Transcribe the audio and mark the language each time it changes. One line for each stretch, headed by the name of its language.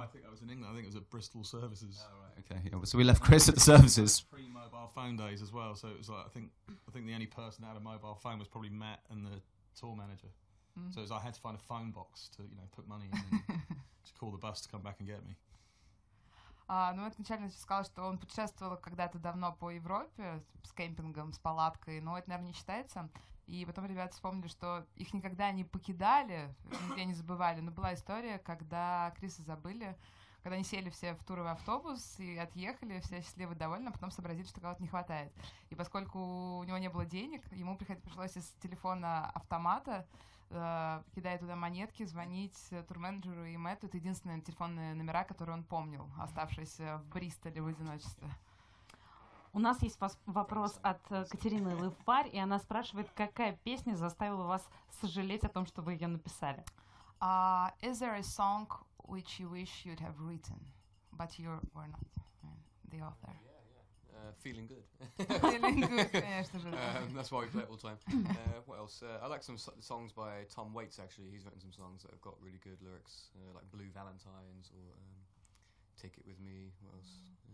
English: No, I think that was in England. I think it was at Bristol Services. Oh, right. Okay, yeah. So we left Chris at the services. Pre-mobile phone days as well. So it was like, I think the only person that had a mobile phone was probably Matt and the tour manager. Mm-hmm. So it was, I had to find a phone box to, you know, put money in and to call the bus to come back and get me.
Russian: Ну, это вначале сказал, что он путешествовал когда-то давно по Европе с кемпингом, с палаткой, но это, наверное, не считается. И потом ребята вспомнили, что их никогда не покидали, нигде не забывали. Но была история, когда Криса забыли, когда они сели все в туровый автобус и отъехали, все счастливы, довольны, а потом сообразили, что кого-то не хватает. И поскольку у него не было денег, ему пришлось из телефона автомата, кидая туда монетки, звонить турменеджеру и Мэтту. Это единственные телефонные номера, которые он помнил, оставшиеся в Бристоле в одиночестве. У нас есть вопрос от Катерины Лефарь, и она спрашивает, какая песня заставила вас сожалеть о том, что вы ее написали?
English: Is there a song which you wish you'd have written, but you were not the author? Feeling good. Feeling good. That's why we play it all the time. What else? I like some songs by Tom Waits, actually. He's written some songs that have got really good lyrics, like Blue Valentine's or Take It With Me. What else?